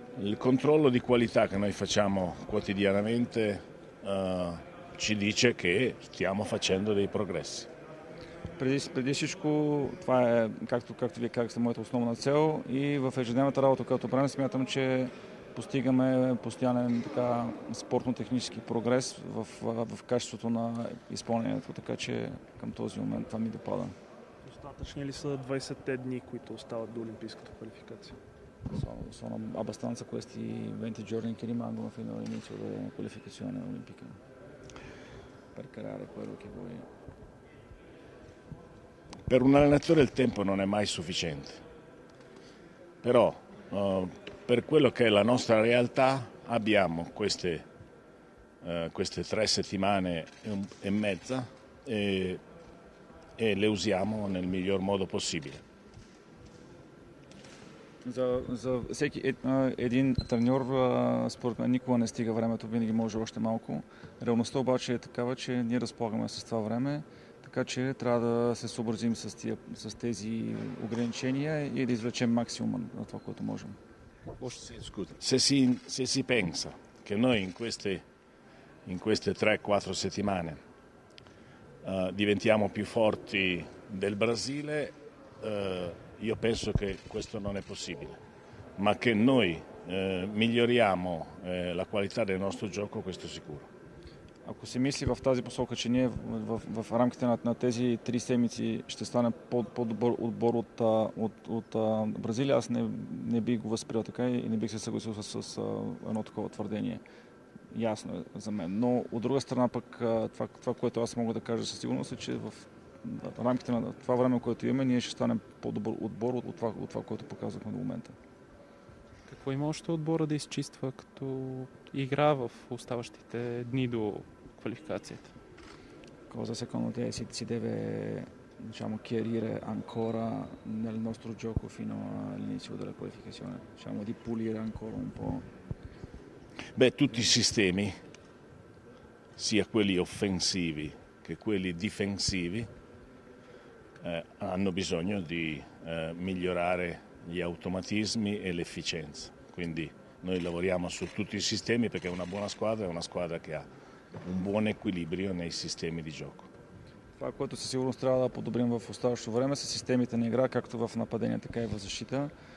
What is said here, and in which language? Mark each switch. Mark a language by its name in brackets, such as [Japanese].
[Italian] Il controllo di qualità che noi facciamo quotidianamente ci dice che stiamo facendo dei progressi. [Bulgarian] Преди всичко, това е както вие казахте, моята основна цел, и в ежедневната работа, която правим, смятам, че постигаме постоянен така спортно-технически прогрес в качеството на изпълнението, така че към този момент това ми допада. Достатъчни ли са 20-те дни, които остават до олимпийската квалификация? [Italian] Sono abbastanza questi 20 giorni che rimangono fino all'inizio della qualificazione olimpica per creare quello che vuoi. Per un allenatore il tempo non è mai sufficiente, però per quello che è la nostra realtà abbiamo queste tre settimane e mezza e le usiamo nel miglior modo possibile. [Bulgarian] За всеки един треньор, според мен, никога не стига времето, винаги може още малко. Реалността обаче е такава, че ние разполагаме с това време, така че трябва да се съобразим с тези ограничения и да извлечем максимума на това, което можем. [Italian] Se si pensa che noi in queste 3-4 settimane diventiamo più forti del Brasile, io penso che questo non è possibile, ma che noi miglioriamo la qualità del nostro gioco, questo è sicuro. [Bulgarian] Ако се мисли в тази посока, че ние в рамките на тези три седмици ще стане по-добър отбор от Бразилия, аз не бих го възприел така и не бих се съгласил с едно такова твърдение. Ясно е за мен. Но от друга страна пък това, което аз мога да кажа със сигурност е, че в рамките на това време, което имаме, ние ще станем по-добър отбор от това, което показахме до момента. Какво има още отбора да изчиства като игра в оставащите дни до квалификацията? [Italian] Cosa secondo te si deve, diciamo, chiarire ancora nel nostro gioco fino all'inizio della qualificazione? Diciamo di pulire ancora un po'. Beh, tutti i sistemi, sia quelli offensivi che quelli difensivi, hanno bisogno di migliorare gli automatismi e l'efficienza. Quindi noi lavoriamo su tutti i sistemi, perché una buona squadra è una squadra che ha un buon equilibrio nei sistemi di gioco. [Bulgarian] Това, което със сигурност трябва да подобрим в оставащото време, са системите на игра, както в нападение, така и в защита.